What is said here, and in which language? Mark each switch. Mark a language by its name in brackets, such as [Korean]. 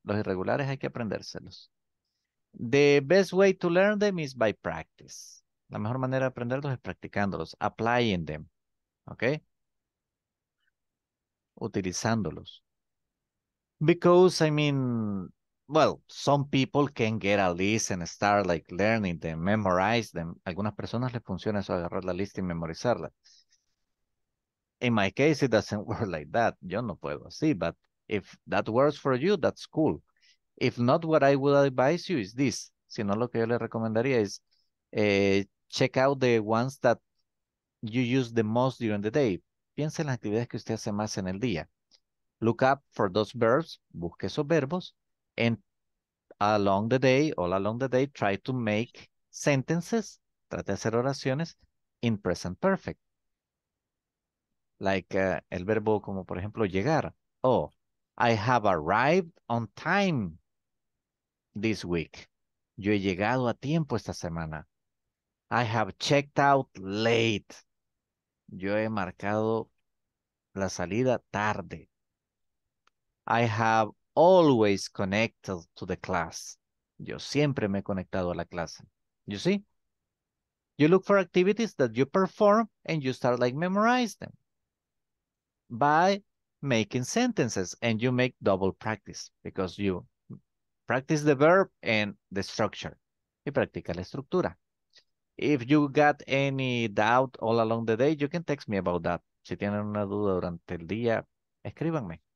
[Spanish] Los irregulares hay que aprendérselos. [English] The best way to learn them is by practice. [Spanish] La mejor manera de aprenderlos es practicándolos, [English] applying them, okay? [Spanish] Utilizándolos. [English] Because, I mean, well, some people can get a list and start like learning them, memorize them. [Spanish] Algunas personas les funciona eso, agarrar la lista y memorizarla. [English] In my case, it doesn't work like that. [Spanish] Yo no puedo así, [English] but if that works for you, that's cool. If not, what I would advise you is this. [Spanish] Si no, lo que yo le recomendaría es [English] check out the ones that you use the most during the day. [Spanish] Piensa en las actividades que usted hace más en el día. [English] Look up for those verbs, [Spanish] busque esos verbos. [English] And along the day, all along the day, try to make sentences, [Spanish] trate de hacer oraciones [English] in present perfect. Like [Spanish] el verbo como, por ejemplo, llegar. [English] Oh, I have arrived on time this week. [Spanish] Yo he llegado a tiempo esta semana. [English] I have checked out late. [Spanish] Yo he marcado la salida tarde. [English] I have always connected to the class. [Spanish] Yo siempre me he conectado a la clase. [English] You see? You look for activities that you perform and you start like memorize them by making sentences, and you make double practice because you practice the verb and the structure. [Spanish] Y practica la estructura. [English] If you got any doubt all along the day, you can text me about that. [Spanish] Si tienen una duda durante el día, escríbanme.